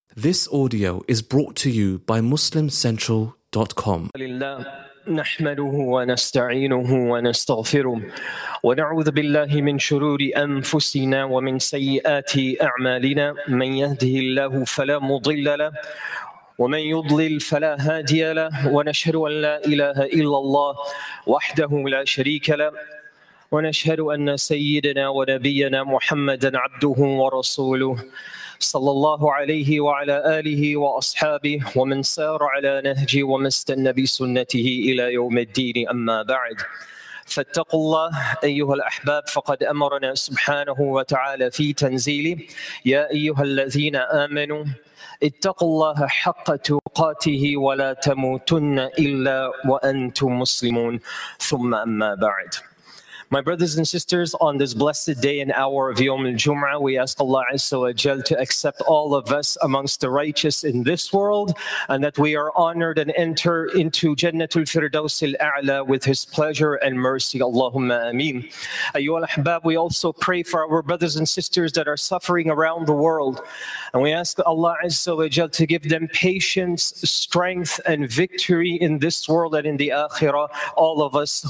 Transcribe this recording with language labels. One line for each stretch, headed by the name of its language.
English: This audio is brought to you by MuslimCentral.com.
Arabic: نحمده ونستعينه ونستغفره ونعوذ بالله من شرور أنفسنا ومن سيئات أعمالنا من يهده الله فلا مضل له ومن يضلل فلا هادي له ونشهد أن لا إله إلا الله وحده لا شريك له ونشهد أن سيدنا ونبينا محمدا عبده ورسوله صلى الله عليه وعلى آله وأصحابه ومن سار على نهجه ومستن بسنته إلى يوم الدين أما بعد فاتقوا الله أيها الأحباب فقد أمرنا سبحانه وتعالى في تنزيله يا أيها الذين آمنوا اتقوا الله حق تقاته ولا تموتن إلا وأنتم مسلمون ثم أما بعد.
English: My brothers and sisters, on this blessed day and hour of Yawm al-Jum'ah, we ask Allah Azza wa Jal to accept all of us amongst the righteous in this world, and that we are honored and enter into Jannatul Firdaus al-A'la with His pleasure and mercy. Allahumma ameen. Ayyuhal Ahbab, we also pray for our brothers and sisters that are suffering around the world, and we ask Allah Azza wa Jal to give them patience, strength, and victory in this world and in the Akhirah, all of us.